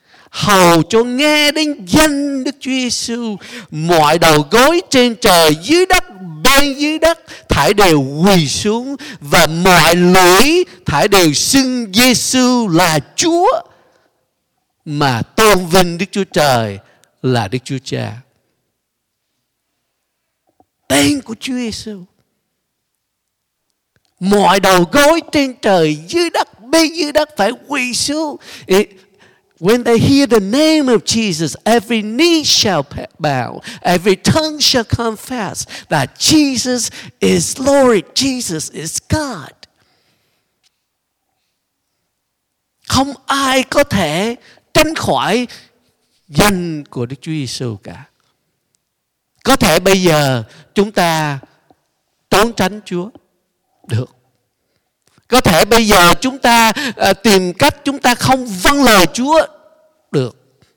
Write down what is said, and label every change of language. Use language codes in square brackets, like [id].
[vi] Hầu cho nghe đến danh Đức Chúa Giêsu, mọi đầu gối trên trời, dưới đất, bên dưới đất, thảy đều quỳ xuống, và mọi lưỡi thảy đều xưng Giêsu là Chúa, mà tôn vinh Đức Chúa Trời là Đức Chúa Cha. Tên của Chúa Giêsu mọi đầu gối trên trời dưới đất, bên dưới đất phải quỳ xuống. [en] When they hear the name of Jesus, every knee shall bow, every tongue shall confess that Jesus is Lord, Jesus is God. [vi] Không ai có thể tránh khỏi danh của Đức Chúa Giêsu cả. Có thể bây giờ chúng ta trốn tránh Chúa được. Có thể bây giờ chúng ta tìm cách chúng ta không vâng lời Chúa được.